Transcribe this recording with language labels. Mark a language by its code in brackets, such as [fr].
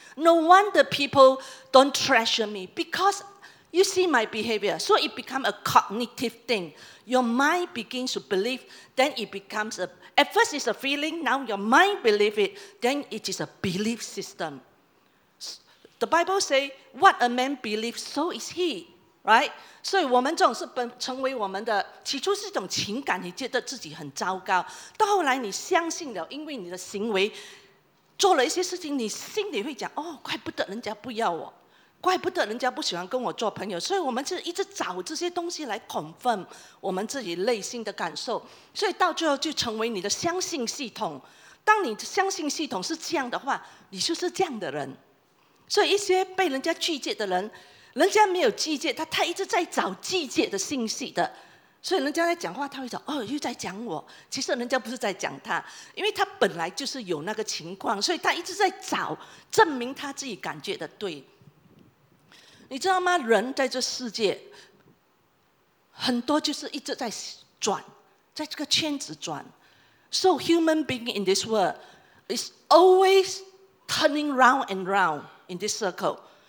[en] No wonder people don't treasure me because you see my behavior. So it becomes a cognitive thing. Your mind begins to believe, then it becomes a, at first it's a feeling, now your mind believes it, then it is a belief system. The Bible says, what a man believes, so is he, right? [zh] 所以我们这种是成为我们的起初是一种情感, 你觉得自己很糟糕, 到后来你相信了, 因为你的行为, 做了一些事情, 你心里会讲, 哦, 怪不得人家不要我, 怪不得人家不喜欢跟我做朋友，所以我们就一直找这些东西来 confirm 我们自己内心的感受，所以到最后就成为你的相信系统。当你相信系统是这样的话，你就是这样的人。所以一些被人家拒绝的人，人家没有拒绝他，他一直在找拒绝的信息的，所以人家在讲话他会说，哦，又在讲我，其实人家不是在讲他，因为他本来就是有那个情况，所以他一直在找证明他自己感觉的对。你知道吗？人在这世界很多就是一直在转，在这个圈子转。 [en] So human being in this world is always turning round and round in this circle.